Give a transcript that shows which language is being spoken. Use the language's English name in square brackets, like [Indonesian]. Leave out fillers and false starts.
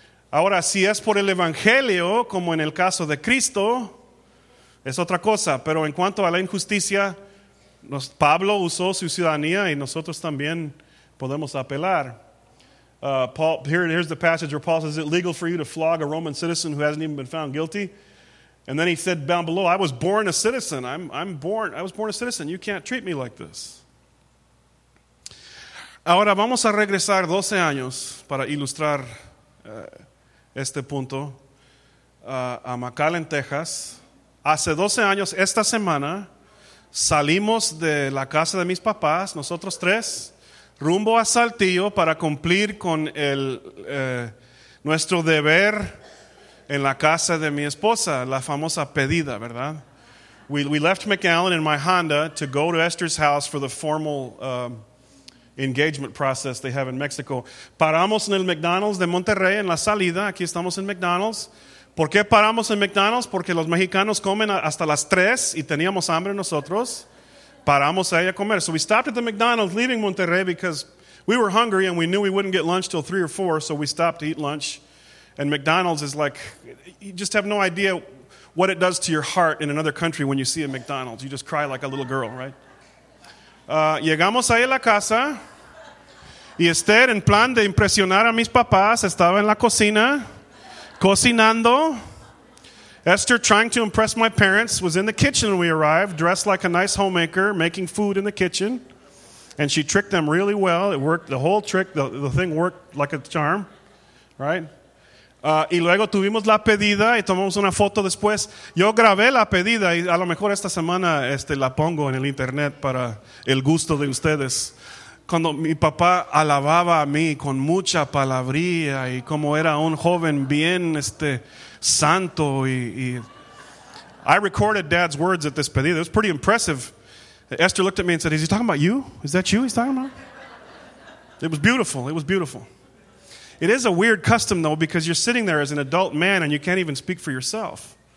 [Spanish] Ahora, si es por el evangelio, como en el caso de Cristo, es otra cosa. Pero en cuanto a la injusticia, Pablo usó su ciudadanía y nosotros también podemos apelar. [English] Paul, here's the passage where Paul says, is it legal for you to flog a Roman citizen who hasn't even been found guilty? And then he said down below, I was born a citizen. I was born a citizen. You can't treat me like this. [Spanish] Ahora vamos a regresar 12 años para ilustrar este punto a McAllen, Texas. Hace 12 años, esta semana, salimos de la casa de mis papás, nosotros tres, rumbo a Saltillo para cumplir con el, nuestro deber en la casa de mi esposa, la famosa pedida, ¿verdad? [English] We left McAllen in my Honda to go to Esther's house for the formal engagement process they have in Mexico. [Spanish] Paramos en el McDonald's de Monterrey en la salida. Aquí estamos en McDonald's. ¿Por qué paramos en McDonald's? Porque los mexicanos comen hasta las 3 y teníamos hambre nosotros. Paramos ahí a comer. [English] So we stopped at the McDonald's leaving Monterrey because we were hungry and we knew we wouldn't get lunch till 3 or 4, so we stopped to eat lunch. And McDonald's is like, you just have no idea what it does to your heart in another country when you see a McDonald's. You just cry like a little girl, right? [Spanish] Llegamos ahí a la casa y Esther, en plan de impresionar a mis papás, estaba en la cocina cocinando. [English] Esther, trying to impress my parents, was in the kitchen when we arrived, dressed like a nice homemaker, making food in the kitchen. And she tricked them really well. It worked, the whole trick, the thing worked like a charm, right? [Spanish] Y luego tuvimos la pedida y tomamos una foto después. Yo grabé la pedida y a lo mejor esta semana la pongo en el internet para el gusto de ustedes. Cuando mi papá alababa a mí con mucha palabría y como era un joven bien santo. [English] I recorded Dad's words at this pedida. It was pretty impressive. Esther looked at me and said, is he talking about you? Is that you he's talking about? It was beautiful. It was beautiful. It is a weird custom, though, because you're sitting there as an adult man and you can't even speak for yourself.